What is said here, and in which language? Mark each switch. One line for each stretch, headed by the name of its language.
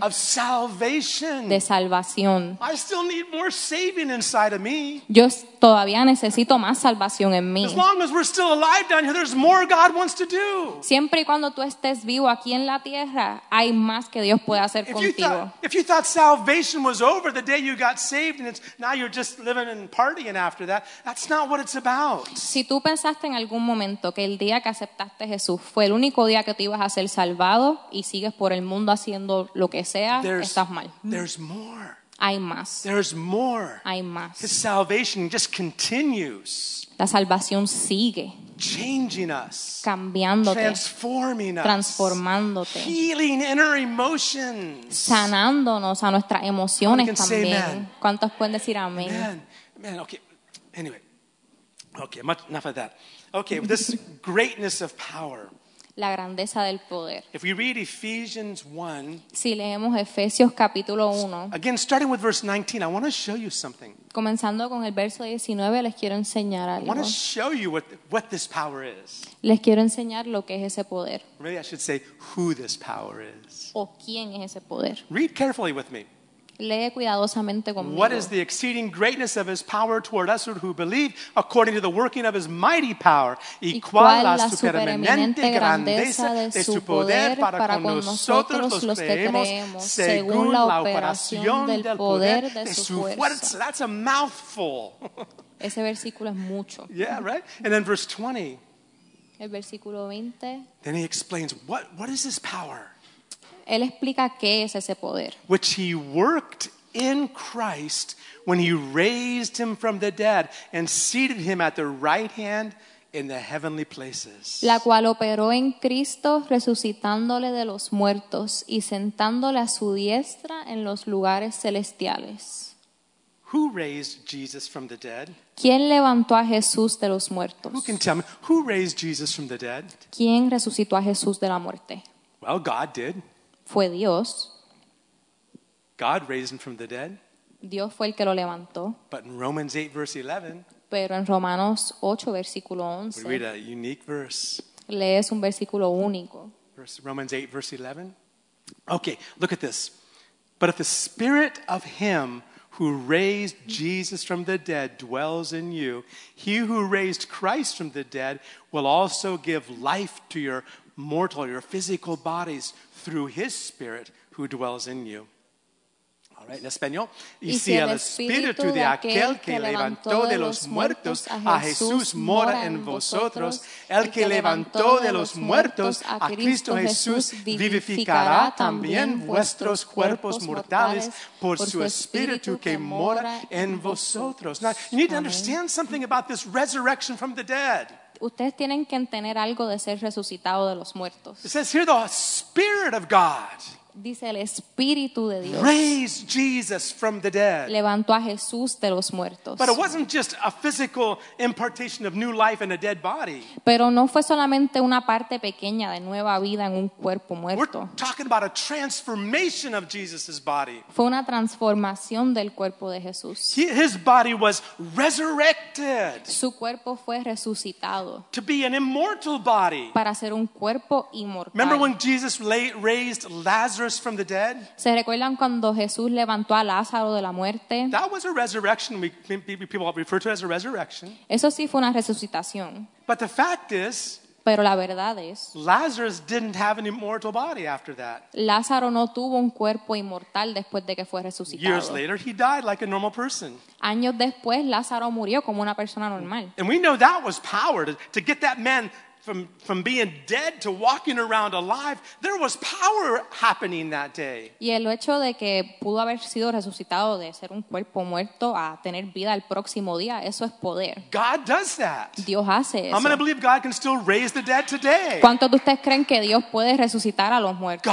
English: Of salvation.
Spanish: De salvación.
English: I still need more saving inside of me.
Spanish: Yo todavía necesito más salvación en mí.
English: As long as we're still alive down here, there's more God wants to do.
Spanish: Siempre y cuando tú estés vivo aquí en la tierra, hay más que Dios puede hacer contigo.
English: If you thought salvation was over the day you got saved and it's now you're just living and partying after that, that's not what it's about.
Spanish: Si tú pensaste en algún momento que el día que aceptaste Jesús fue el único día que te ibas a ser salvado y sigues por el mundo haciendo lo que sea, estás mal.
English: There's more.
Spanish: Hay más.
English: There's more.
Spanish: Hay más.
English: His salvation just continues.
Spanish: La salvación sigue.
English: Changing us.
Spanish: Cambiándote.
English: Transforming us.
Spanish: Transformándote.
English: Healing inner emotions.
Spanish: Sanándonos a nuestras emociones también. ¿Cuántos pueden decir amén?
English: Amen. Okay. Anyway. Okay, enough of that. Okay, with this greatness of power.
Spanish: La grandeza del poder.
English: If we read Ephesians 1,
Spanish: si leemos Efesios capítulo 1,
English: again, starting with verse 19, I want to show you something.
Spanish: Comenzando con el verso 19, les quiero enseñar algo.
English: I want to show you what this power is.
Spanish: Les quiero enseñar lo que es ese poder.
English: Really, I should say who this power is.
Spanish: O quién es ese poder.
English: Read carefully with me.
Spanish: Lee cuidadosamente conmigo.
English: What is the exceeding greatness of his power toward us who believe according to the working of his mighty power?
Spanish: Y cuál la supereminente grandeza de su poder para con nosotros los que creemos según la operación del poder de su fuerza.
English: So that's a mouthful.
Spanish: Ese versículo es mucho.
English: Yeah, right? And then verse 20.
Spanish: El versículo 20.
English: Then he explains, what is this power?
Spanish: Él explica qué es ese poder.
English: Which he worked in Christ when he raised him from the dead and seated him at the right hand in the heavenly places.
Spanish: La cual operó en Cristo resucitándole de los muertos y sentándole a su diestra en los lugares celestiales.
English: Who raised Jesus from the dead?
Spanish: ¿Quién levantó a Jesús de los muertos?
English: Who can tell me who raised Jesus from the dead?
Spanish: ¿Quién resucitó a Jesús de la muerte?
English: Well, God did.
Spanish: Fue Dios.
English: God raised him from the dead.
Spanish: Dios fue el que lo levantó.
English: But in Romans 8, verse 11.
Spanish: Pero en Romanos 8, versículo 11.
English: We read a unique verse.
Spanish: Lees un versículo único.
English: Romans 8, verse 11. Okay, look at this. But if the spirit of him who raised Jesus from the dead dwells in you, he who raised Christ from the dead will also give life to your mortal, your physical bodies, through his spirit who dwells in you. All right,
Spanish: en español. Y si el espíritu de aquel que levantó de los muertos a Jesús mora en vosotros, el que levantó de los muertos a Cristo Jesús vivificará también vuestros cuerpos mortales por su espíritu que mora en vosotros.
English: Now, you need to understand something about this resurrection from the dead.
Spanish: Ustedes tienen que entender algo de ser resucitado de los muertos.
English: It says here the Spirit of God.
Spanish: Dice el Espíritu de Dios.
English: Raised Jesus from the dead.
Spanish: Levantó a Jesús de los muertos.
English: But it wasn't just a physical impartation of new life in a dead body.
Spanish: Pero no fue solamente una parte pequeña de nueva vida en un cuerpo muerto.
English: We're talking about a transformation of Jesus's body.
Spanish: Fue una transformación del cuerpo de Jesús.
English: His body was resurrected.
Spanish: Su cuerpo fue resucitado.
English: To be an immortal body.
Spanish: Para ser un cuerpo inmortal.
English: Remember when Jesus raised Lazarus from the dead?
Spanish: ¿Se recuerdan cuando Jesús levantó a Lázaro de la muerte?
English: That was a resurrection. People refer to it as a resurrection.
Spanish: Eso sí fue una resucitación.
English: But the fact is,
Spanish: pero la verdad es,
English: Lazarus didn't have an immortal body after that.
Spanish: Lázaro no tuvo un cuerpo inmortal después de que fue resucitado.
English: Years later, he died like a normal person.
Spanish: Años después, Lázaro murió como una persona normal.
English: And we know that was power to get that man from being dead to walking around alive. There was power happening that day.
Spanish: Y el hecho de que pudo haber sido resucitado de ser un cuerpo muerto a tener vida el próximo día, eso es poder.
English: God does that.
Spanish: Dios hace eso.
English: I'm going to believe God can still raise the dead today.
Spanish: ¿Cuántos de ustedes creen que Dios puede resucitar a los muertos?